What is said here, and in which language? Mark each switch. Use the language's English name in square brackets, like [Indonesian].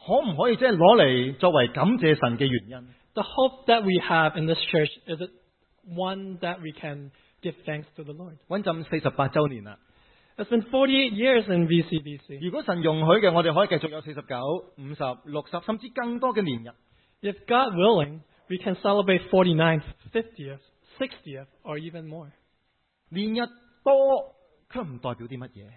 [Chinese] 我们教会的盼望可不可以拿来作为感谢神的原因? [English] The hope that we have in this church, is it one that we can give thanks to the Lord? [Chinese] 48周年了. [English] It's been 48 years in VCBC. [Chinese] 如果神容许的,我们可以继续有49, 50, 60, 甚至更多的年日。 [English] If God willing, we can celebrate 49th, 50th, 60th, or even more. [Chinese] 年日多,却不代表什么?